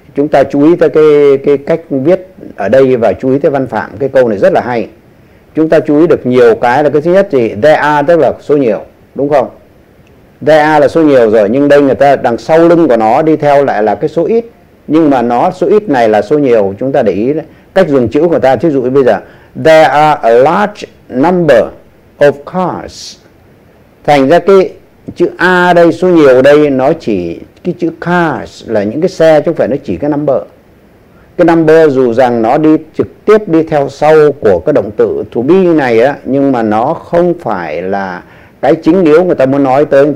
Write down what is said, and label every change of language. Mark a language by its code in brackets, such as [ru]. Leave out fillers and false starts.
[vi] Chúng ta chú ý tới cái cách viết ở đây và chú ý tới văn phạm. Cái câu này rất là hay. Chúng ta chú ý được nhiều cái là cái thứ nhất thì there are tức là số nhiều, đúng không? There are là số nhiều rồi, nhưng đây người ta đằng sau lưng của nó đi theo lại là cái số ít. Nhưng mà nó số ít này là số nhiều, chúng ta để ý cách dùng chữ của người ta. Thí dụ bây giờ, [en] there are a large number of cars. [vi] Thành ra cái chữ A đây, số nhiều đây, nó chỉ cái chữ cars là những cái xe chứ không phải nó chỉ cái number. Cái number dù rằng nó đi trực tiếp đi theo sau của cái động từ to be này á, nhưng mà nó không phải là cái chính yếu người ta muốn nói tới.